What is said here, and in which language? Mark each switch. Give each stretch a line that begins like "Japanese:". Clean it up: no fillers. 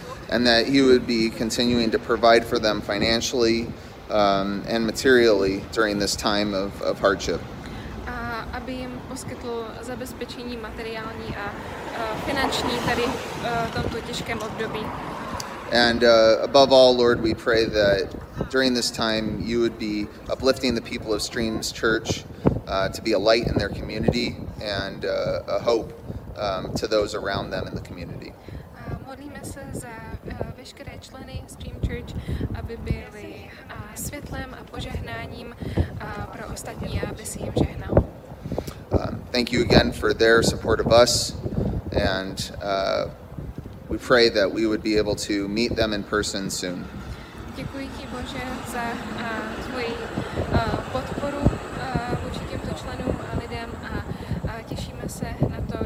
English: And that he would be continuing to provide for them financially and materially during this time of hardship.
Czech: Aby jim poskytl zabezpečení materiální a finanční tady v tomto těžkém období.
English: And above all, Lord, we pray that during this time you would be uplifting the people of Streams Church to be a light in their community and a hope to those around them in the community.
Czech: Modlíme se za veškeré členy Streams Church, aby byli světlem a požehnáním pro ostatní, aby si jim žehnal.
English: Thank you again for their support of us, and we pray that we would be able to meet them in person soon.
Czech: Děkuji ti, Bože, za tvoji podporu vůči těmto členům a lidem a těšíme se na to.